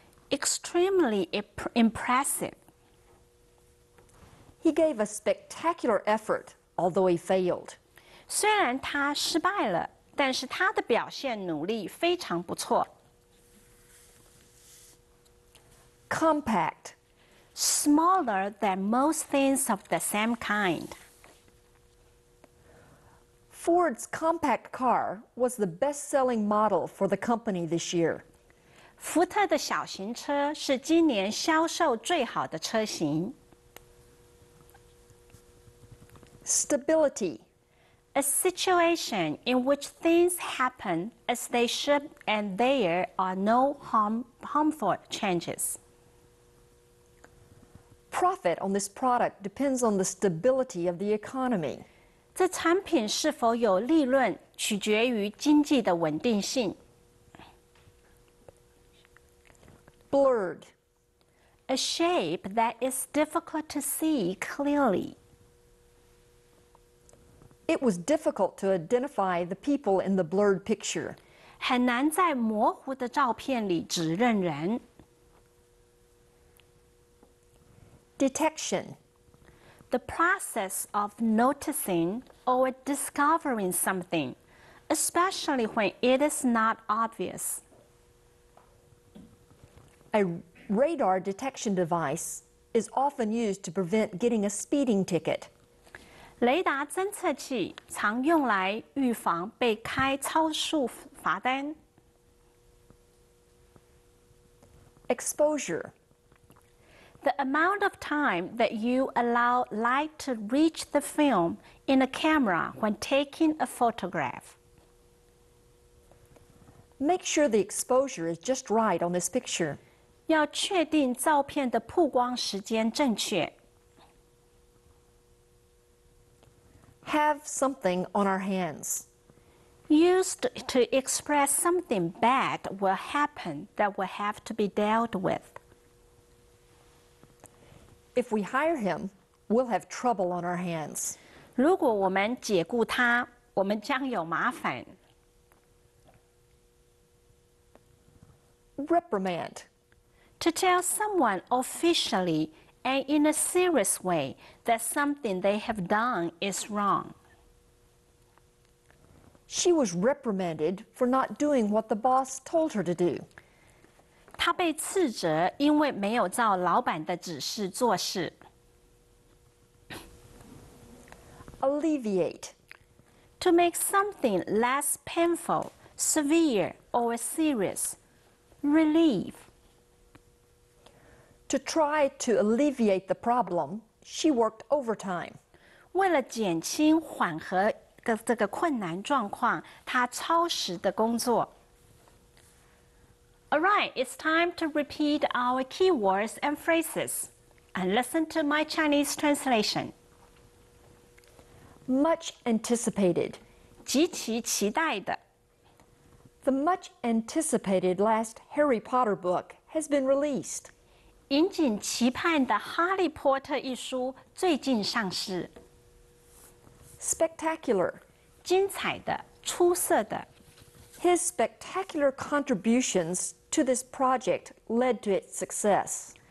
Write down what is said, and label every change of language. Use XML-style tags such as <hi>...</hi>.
<en>Extremely impressive. He gave a spectacular effort, although he failed.</en> <zh>虽然他失败了，但是他的表现努力非常不错。</zh> <en>Compact, smaller than most things of the same kind. Ford's compact car was the best-selling model for the company this year.</en> <zh>福特的小型车是今年销售最好的车型。</zh> <en>Stability, a situation in which things happen as they should and there are no harmful changes. Profit on this product depends on the stability of the economy.</en> <zh>这产品是否有利润取决于经济的稳定性。</zh> <en>blurred. A shape that is difficult to see clearly. It was difficult to identify the people in the blurred picture.</en> <zh>很难在模糊的照片里指认人。</zh> <en>Detection. The process of noticing or discovering something, especially when it is not obvious. A radar detection device is often used to prevent getting a speeding ticket.</en> <zh>雷达侦测器常用来预防被开超速罚单。</zh> <en>Exposure. The amount of time that you allow light to reach the film in a camera when taking a photograph. Make sure the exposure is just right on this picture.</en> <zh>要确定照片的曝光时间正确。</zh> <en>Have something on our hands. Used to express something bad will happen that will have to be dealt with. If we hire him, we'll have trouble on our hands.</en> <zh>如果我们解雇他，我们将有麻烦。</zh> <en>Reprimand. To tell someone officially and in a serious way that something they have done is wrong. She was reprimanded for not doing what the boss told her to do.</en> <zh>她被斥责因为没有照老板的指示做事。</zh> <en>Alleviate. To make something less painful, severe, or serious. Relieve. To try to alleviate the problem, she worked overtime.</en> <zh>为了减轻缓和这个困难状况，她超时的工作。</zh> <en>All right, it's time to repeat our keywords and phrases and listen to my Chinese translation. Much anticipated.</en> <zh>极其期待的。</zh> <en>The much anticipated last Harry Potter book has been released.</en> <zh>引颈期盼的《哈利波特》一书最近上市。</zh> <en>Spectacular.</en> <zh>精彩的，出色的。</zh> <en>His spectacular contributions to this project led to its success.</en>